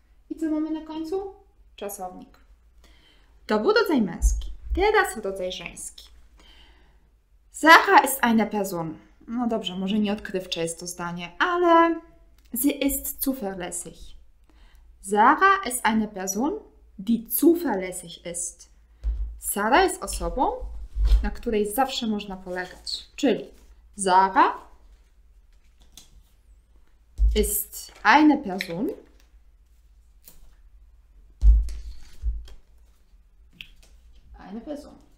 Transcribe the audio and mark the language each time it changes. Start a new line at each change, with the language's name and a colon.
Polish: I co mamy na końcu? Czasownik. To był rodzaj męski. Teraz rodzaj żeński.
German: Sarah ist eine Person.
Polish: No dobrze, może nie odkrywcze jest to zdanie, ale
German: sie ist zuverlässig. Sarah ist eine Person, die zuverlässig ist.
Polish: Sarah ist osobą, na której zawsze można polegać.
German: Czyli Sarah ist eine Person, eine Person.